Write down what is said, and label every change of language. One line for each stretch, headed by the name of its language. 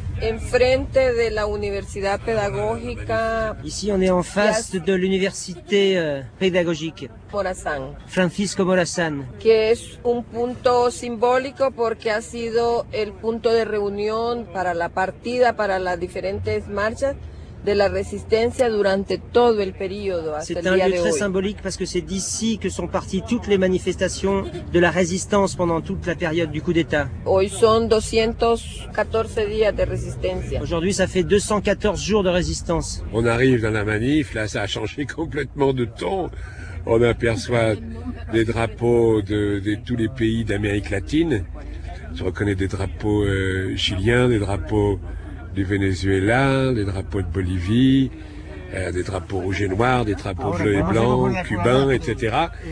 Spanish: Enfrente de la Universidad Pedagógica.
French: Ici, on est en face de l'université pédagogique.
Spanish: Morazán. Francisco Morazán. Que es un punto simbólico porque ha sido el punto de reunión para la partida, para las diferentes marchas de la resistencia durante todo el periodo hasta
French: c'est
Spanish: el día de hoy.
French: C'est un lieu très symbolique parce que c'est d'ici que sont parties toutes les manifestations de la résistance pendant toute la période du coup d'État.
Spanish: Hoy son 214 días de resistencia.
French: Aujourd'hui, ça fait 214 jours de résistance. On arrive dans la manif, là ça a changé complètement de ton. On aperçoit des drapeaux de tous les pays d'Amérique latine. Je reconnais des drapeaux chiliens, des drapeaux du Venezuela, des drapeaux de Bolivie, des drapeaux rouges et noirs, des drapeaux bleus et blancs, cubains, etc.